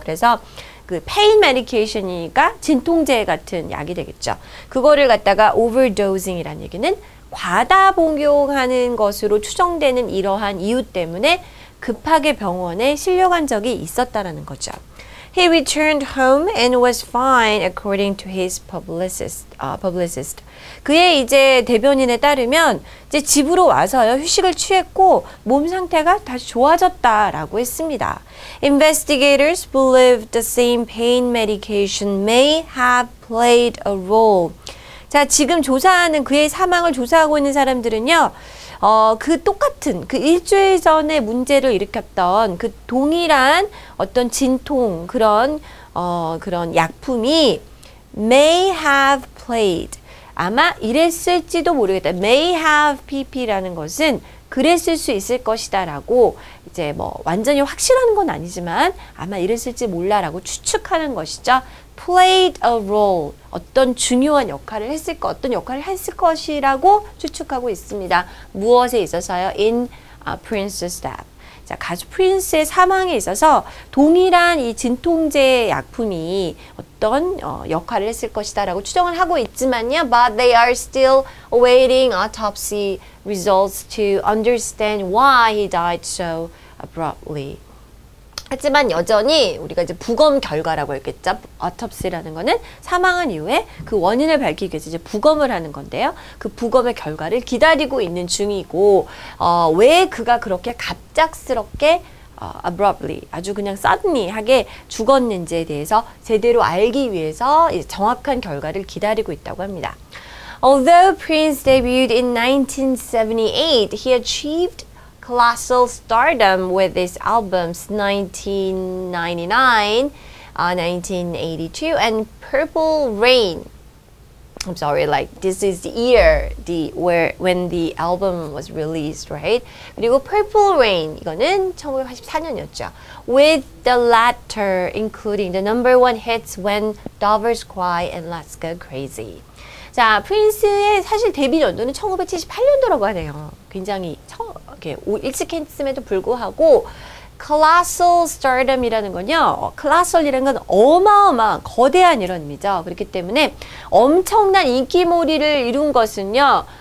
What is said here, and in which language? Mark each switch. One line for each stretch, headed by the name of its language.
Korean: 그래서 그 pain medication이니까 진통제 같은 약이 되겠죠. 그거를 갖다가 overdosing이라는 얘기는 과다 복용하는 것으로 추정되는 이러한 이유 때문에 급하게 병원에 실려간 적이 있었다라는 거죠.
English: He returned home and was fine according to his publicist.
Korean: 그의 이제 대변인에 따르면 이제 집으로 와서요. 휴식을 취했고 몸 상태가 다시 좋아졌다라고 했습니다.
English: Investigators believe the same pain medication may have played a role.
Korean: 자, 지금 조사하는 그의 사망을 조사하고 있는 사람들은요, 그 똑같은 그 일주일 전에 문제를 일으켰던 그 동일한 어떤 진통 그런 약품이
English: may have played
Korean: 아마 이랬을지도 모르겠다. May have PP라는 것은 그랬을 수 있을 것이다라고 이제 뭐 완전히 확실한 건 아니지만 아마 이랬을지 몰라라고 추측하는 것이죠.
English: played a role,
Korean: 어떤 중요한 역할을 했을 것, 어떤 역할을 했을 것이라고 추측하고 있습니다. 무엇에 있어서요?
English: In Prince's death.
Korean: 자, 가수 프린스의 사망에 있어서 동일한 이 진통제 약품이 어떤 역할을 했을 것이다 라고 추정을 하고 있지만요.
English: But they are still awaiting autopsy results to understand why he died so abruptly.
Korean: 하지만 여전히 우리가 이제 부검 결과라고 했겠죠. Autopsy라는 거는 사망한 이후에 그 원인을 밝히기 위해서 이제 부검을 하는 건데요. 그 부검의 결과를 기다리고 있는 중이고 왜 그가 그렇게 갑작스럽게 abruptly 아주 그냥 suddenly 하게 죽었는지에 대해서 제대로 알기 위해서 이제 정확한 결과를 기다리고 있다고 합니다.
English: Although Prince debuted in 1978, he achieved colossal stardom with his albums 1999, 1982, and Purple Rain. I'm sorry, like this is the year when the album was released, right?
Korean: 그리고 Purple Rain, 이거는 1984년이었죠.
English: With the latter, including the number one hits When Dovers Cry and Let's Go Crazy.
Korean: 자, 프린스의 사실 데뷔 연도는 1978년도라고 하네요. 굉장히 일찍 했음에도 불구하고 colossal stardom이라는 건요. colossal이라는 건 어마어마한, 거대한 이런 의미죠. 그렇기 때문에 엄청난 인기몰이를 이룬 것은요.